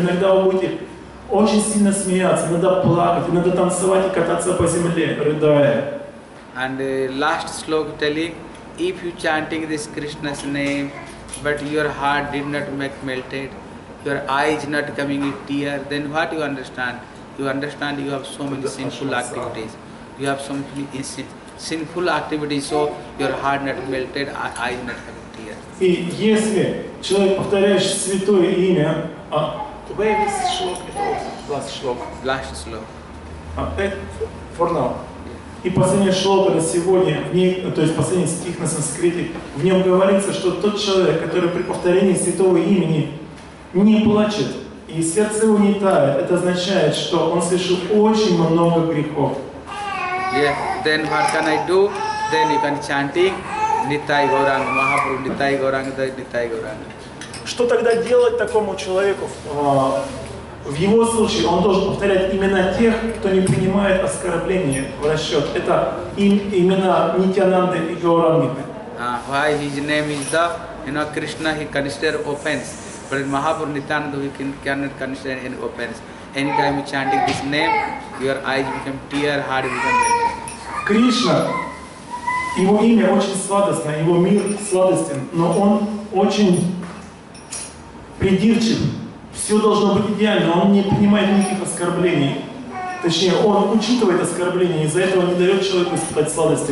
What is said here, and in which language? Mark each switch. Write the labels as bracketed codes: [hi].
[ru] Иногда вы будете очень сильно смеяться, иногда плакать, иногда танцевать и кататься по земле, рыдая. [en] And last slok telling, if you chanting this Krishna's name, but your heart did not make melted, your eyes not coming in tear, then what you understand? You understand you have so many sinful activities. You have some sinful activity, so your heart not melted, eyes not coming tears. [ru] И если человек повторяющий святое имя, [en] where is shlok? Last shlok. Last shlok. For now. Yeah. [ru] И последний шлок это сегодня, в ней, то есть последний стих на санскрите, в нем говорится, что тот человек, который при повторении святого имени не плачет и сердце его не тает, это означает, что он совершил очень много грехов. [en] Yeah, then what can I do? Then you can chanting Nitai Gauranga, Mahaprabhu Nitai Gauranga, Nitai Gauranga. [ru] Что тогда делать такому человеку? В его случае он должен повторять имена тех, кто не принимает оскорбления в расчет. Это имена Нитянанды и Гауранга. [en] Why his name is the, you know, Krishna, he consider offense. But Mahaprabhu Nitananda, he cannot consider any offense. Anytime you chanting this name, your eyes become tear, heart become melted. [ru] Krishna, его имя очень сладостно, его мир сладостен, но он очень придирчив. Все должно быть идеально, он не принимает никаких оскорблений. Точнее, он учитывает оскорбления, из-за этого не дает человеку испытать сладости.